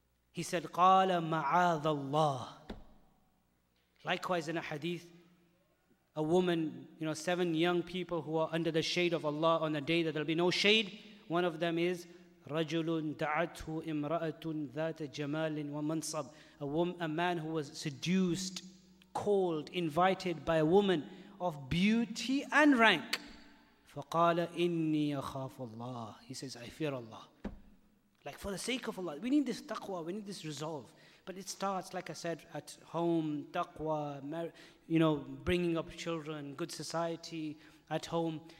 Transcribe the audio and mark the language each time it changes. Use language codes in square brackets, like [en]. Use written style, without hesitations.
[en] He said, [ar] قَالَ مَعَاذَ اللَّهِ. [en] Likewise in a hadith, a woman, you know, seven young people who are under the shade of Allah on a day that there'll be no shade. One of them is [ar] رَجُلٌ دَعَتْهُ إِمْرَأَةٌ ذَاتَ جَمَالٍ وَمَنْصَبٍ. [en] A man who was seduced, called, invited by a woman of beauty and rank. [ar] فَقَالَ إِنِّي أَخَافُ اللَّهِ. [en] He says, I fear Allah. Like, for the sake of Allah, we need this taqwa, we need this resolve. But it starts, like I said, at home, taqwa, you know, bringing up children, good society at home.